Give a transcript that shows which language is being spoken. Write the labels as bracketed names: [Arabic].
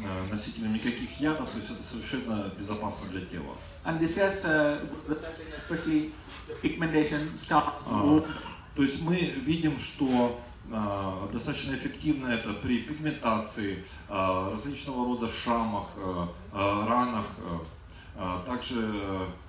[Russian] носителем никаких ядов, то есть это совершенно безопасно для тела. [English] And this has especially pigmentation scar. [Russian] То есть мы видим, что достаточно эффективно это при пигментации, различного рода шрамах, ранах, также